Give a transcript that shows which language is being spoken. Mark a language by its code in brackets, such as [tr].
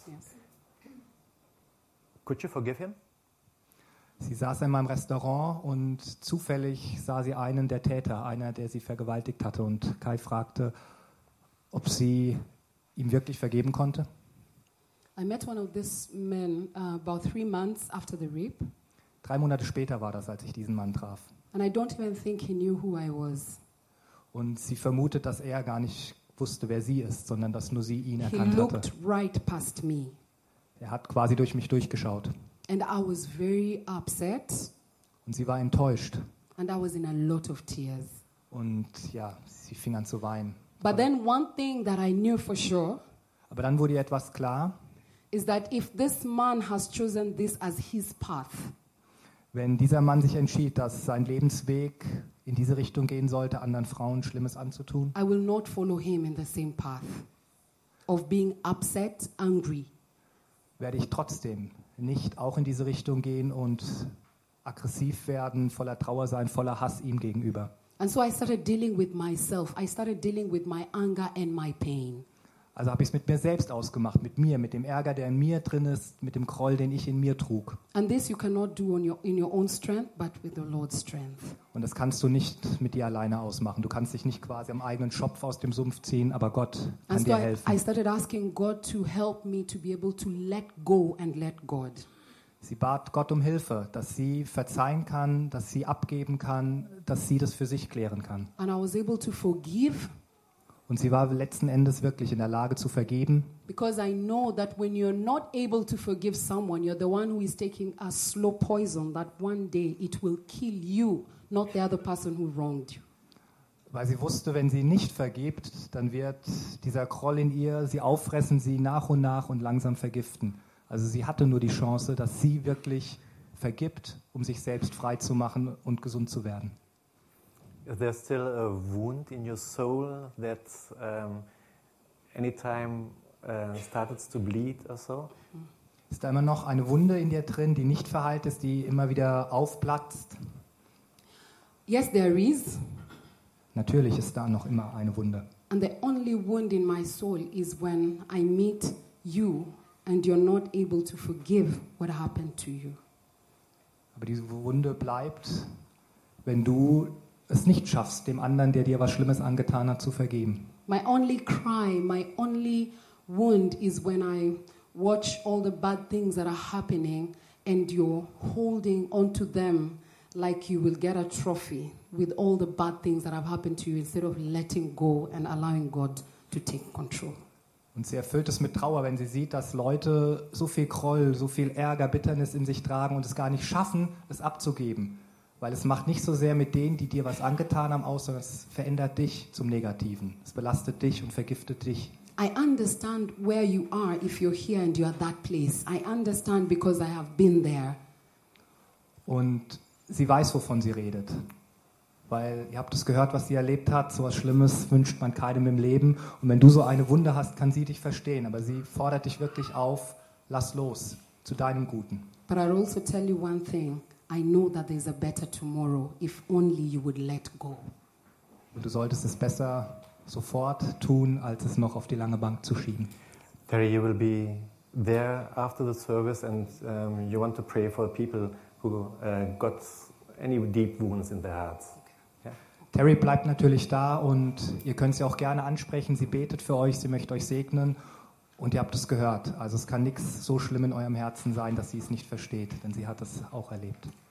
[en] Yes. Could you forgive him? [de] Sie saß in meinem Restaurant und zufällig sah sie einen der Täter, einer, der sie vergewaltigt hatte, und Kai fragte, ob sie ihm wirklich vergeben konnte. [en] I met one of these men about 3 months after the rape. [de] 3 Monate später war das, als ich diesen Mann traf. [en] And I don't even think he knew who I was. [de] Und sie vermutet, dass er gar nicht wusste, wer sie ist, sondern dass nur sie ihn erkannt hatte. [en] He looked right past me. [de] Er hat quasi durch mich durchgeschaut. [en] And I was very upset. [de] Und sie war enttäuscht. [en] And I was in a lot of tears. [de] Und ja, sie fing an zu weinen. [en] But then one thing that I knew for sure. [de] Aber dann wurde ihr etwas klar. [en] Is that if this man has chosen this as his path? [de] Wenn dieser Mann sich entschied, dass sein Lebensweg in diese Richtung gehen sollte, anderen Frauen Schlimmes anzutun. [en] I will not follow him in the same path of being upset, angry. [de] Werde ich trotzdem nicht auch in diese Richtung gehen und aggressiv werden, voller Trauer sein, voller Hass ihm gegenüber. [en] And so I started dealing with myself. I started dealing with my anger and my pain. [de] Also habe ich es mit mir selbst ausgemacht, mit mir, mit dem Ärger, der in mir drin ist, mit dem Groll, den ich in mir trug. [en] And this you cannot do on your, in your own strength, but with the Lord's strength. [de] Und das kannst du nicht mit dir alleine ausmachen. Du kannst dich nicht quasi am eigenen Schopf aus dem Sumpf ziehen, aber Gott kann dir helfen. [en] I started asking God to help me to be able to let go and let God. [de] Sie bat Gott um Hilfe, dass sie verzeihen kann, dass sie abgeben kann, dass sie das für sich klären kann. [en] And I was able to forgive. [de] Und sie war letzten Endes wirklich in der Lage zu vergeben. [en] Because I know that when you're not able to forgive someone, you're the one who is taking a slow poison that one day it will kill you, not the other person who wronged you. [de] Weil sie wusste, wenn sie nicht vergibt, dann wird dieser Groll in ihr sie auffressen, sie nach und nach und langsam vergiften. Also sie hatte nur die Chance, dass sie wirklich vergibt, um sich selbst frei zu machen und gesund zu werden. [en] There's still a wound in your soul that anytime starts to bleed or so. [de] Ist da immer noch eine Wunde in dir drin, die nicht verheilt ist, die immer wieder aufplatzt? [en] Yes, there is. [de] Natürlich ist da noch immer eine Wunde. [en] And the only wound in my soul is when I meet you and you're not able to forgive what happened to you. [de] Aber diese Wunde bleibt, wenn du es nicht schaffst, dem anderen, der dir was Schlimmes angetan hat, zu vergeben. [en] My only cry, my only wound is when I watch all the bad things that are happening and you're holding onto them like you will get a trophy with all the bad things that have happened to you instead of letting go and allowing God to take control. [de] Und sie erfüllt es mit Trauer, wenn sie sieht, dass Leute so viel Groll, so viel Ärger, Bitternis in sich tragen und es gar nicht schaffen, es abzugeben. Weil es macht nicht so sehr mit denen, die dir was angetan haben, aus, sondern es verändert dich zum Negativen. Es belastet dich und vergiftet dich. [en] I understand where you are if you're here and you're at that place. I understand because I have been there. [de] Und sie weiß, wovon sie redet. Weil ihr habt es gehört, was sie erlebt hat. So was Schlimmes wünscht man keinem im Leben. Und wenn du so eine Wunde hast, kann sie dich verstehen. Aber sie fordert dich wirklich auf, lass los, zu deinem Guten. [en] But I'll also tell you one thing. I know that there's a better tomorrow if only you would let go. [de] Und du solltest es besser sofort tun, als es noch auf die lange Bank zu schieben. [en] Terry, you will be there after the service and you want to pray for people who got any deep wounds in their hearts. Okay. Yeah. [de] Terry bleibt natürlich da und ihr könnt sie auch gerne ansprechen. Sie betet für euch, sie möchte euch segnen. Und ihr habt es gehört. Also es kann nichts so schlimm in eurem Herzen sein, dass sie es nicht versteht, denn sie hat es auch erlebt.